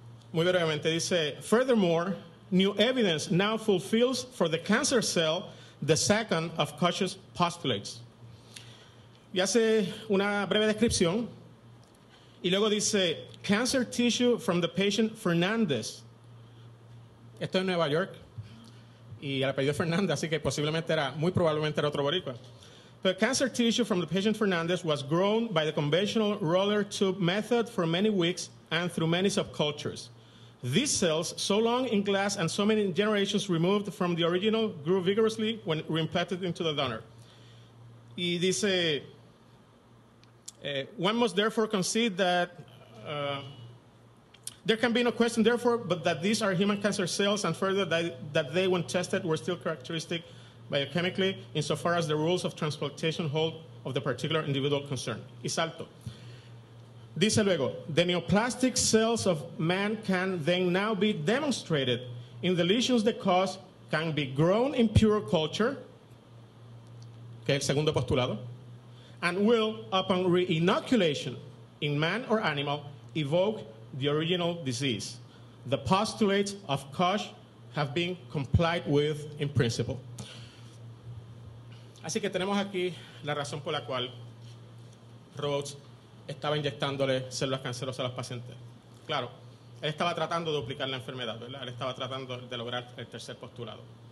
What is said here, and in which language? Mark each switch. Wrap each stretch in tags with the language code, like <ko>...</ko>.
<es>Muy brevemente dice,</es> <en>"Furthermore, new evidence now fulfills for the cancer cell the second of Koch's postulates."</en> <es>Y hace una breve descripción. Y luego dice,</es> <en>cancer tissue from the patient</en> <es>Fernández. Esto es Nueva York. Y el apellido Fernández, así que posiblemente era, muy probablemente era otro boricua.</es> <en>But cancer tissue from the patient Fernández was grown by the conventional roller tube method for many weeks and through many subcultures. These cells, so long in glass and so many generations removed from the original, grew vigorously when reimplanted into the donor.</en> <es>Y dice,</es> <en>one must therefore concede that there can be no question, therefore, but that these are human cancer cells, and further, that they, when tested, were still characteristic biochemically insofar as the rules of transplantation hold of the particular individual concerned.</en> <es>Y salto. Dice luego,</es> <en>the neoplastic cells of man can then now be demonstrated in the lesions that cause can be grown in pure culture,</en> <es>que es el segundo postulado,</es> <en>and will, upon re-inoculation in man or animal, evoke the original disease. The postulates of Koch have been complied with in principle.</en> <es>Así que tenemos aquí la razón por la cual Rhodes estaba inyectándole células cancerosas a los pacientes. Claro, él estaba tratando de duplicar la enfermedad, ¿verdad? Él estaba tratando de lograr el tercer postulado.</es>